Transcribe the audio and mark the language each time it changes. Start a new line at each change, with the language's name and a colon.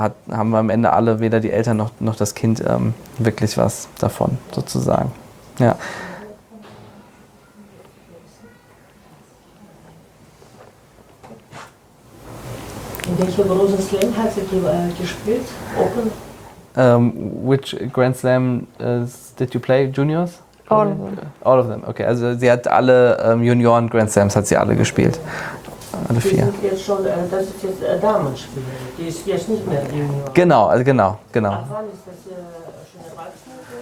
German: Haben wir am Ende alle, weder die Eltern noch das Kind, wirklich was davon, sozusagen. Ja. In welcher großen Slam hat sie gespielt? Open?
English: Which Grand Slam did you play, Juniors? All of them. All of them, okay.
German: Also sie hat alle Junioren-Grand Slams hat sie alle gespielt. Alle vier. Sind jetzt schon, das ist jetzt Damenspiel. Die ist jetzt nicht mehr Junior. Genau, also genau, genau. Ab wann ist das schon erwachsen?